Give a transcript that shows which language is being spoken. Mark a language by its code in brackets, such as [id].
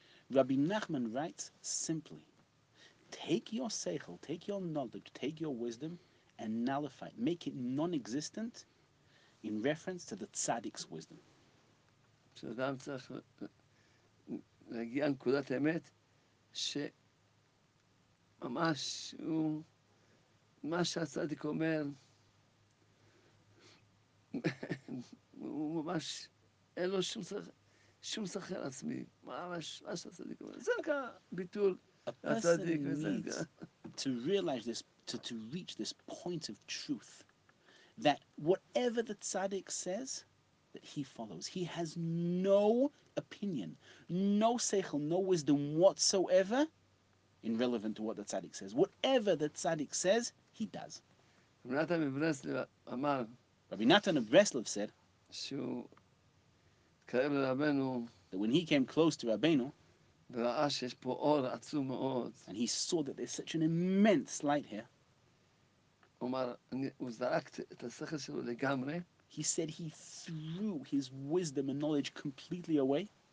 [en] Rabbi Nachman writes simply, take your seichel, take your knowledge, take your wisdom and nullify it, make it non-existent in reference to the tzaddik's wisdom. [he] So Adam צריך להגיע לנקודת האמת שממש הוא, מה שהצדיק אומר, הוא ממש, אין לו שום צריך, שום שכר עצמי, ממש, מה שהצדיק אומר. זה נקרא ביטול הצדיק וזה נקרא. [en] To realize this, to reach this point of truth, that whatever the tzaddik says, that he follows. He has no opinion, no seichel, no wisdom whatsoever, in relevant to what the tzaddik says. Whatever the tzaddik says, he does. [he] רבי נתן מברסלב אמר, [en] רבי נתן מברסלב said, [he] שהוא קרב לרבנו, [en] that when he came close to רבנו, [he] וראה שיש פה אור עצום מאוד, [en] and he saw that there's such an immense light here, [he] אומר, הוא זרק את השכל שלו לגמרי, [en] he said he threw his wisdom and knowledge completely away,